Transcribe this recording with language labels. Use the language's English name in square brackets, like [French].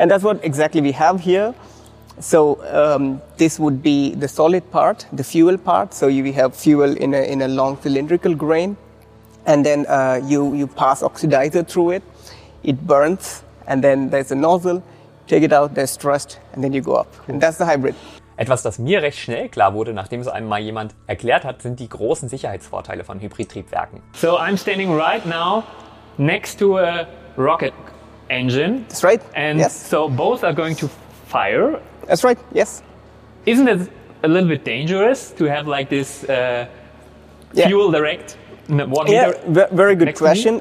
[English] And that's what exactly we have here. So this would be the solid part, the fuel part. So we have fuel in a long cylindrical grain. And then you pass oxidizer through it. It burns, and then there's a nozzle, take it out, there's thrust, and then you go up. And that's the hybrid. [German] Etwas, das mir recht schnell klar wurde, nachdem so einmal jemand erklärt hat, sind die großen Sicherheitsvorteile von Hybridtriebwerken. [English] So I'm standing right now next to a rocket engine. That's right, and yes. So both are going to fire. That's right, yes. Isn't it a little bit dangerous to have like this fuel direct? Very good question.